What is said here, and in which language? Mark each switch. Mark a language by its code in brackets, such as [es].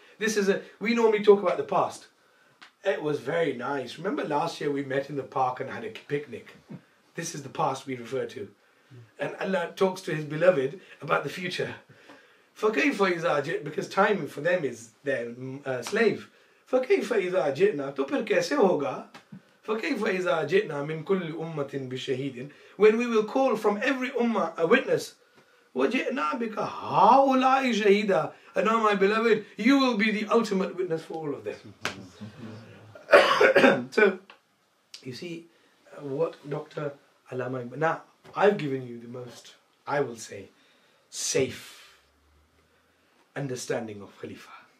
[en] This is we normally talk about the past. It was very nice. Remember last year we met in the park and had a picnic. This is the past we refer to. And Allah talks to His beloved about the future. [ar] فَكَيْفَ إِذَا جِئْنَا, [en] because time for them is their slave. [ar] فَكَيْفَ إِذَا جِئْنَا, [ur] تو پھر کیسے ہوگا؟ [ar] فَكَيْفَ إِذَا جِئْنَا مِنْ كُلِّ أُمَّةٍ بِشَهِيدٍ. [en] When we will call from every ummah a witness. [ar] وَجِئْنَا بِكَ هَاُولَاءِ شَهِيدًا. [en] And now, my beloved, you will be the ultimate witness for all of them. So, you see, what Dr. Allama Iqbal... Now, I've given you the most, I will say, safe understanding of Khalifa.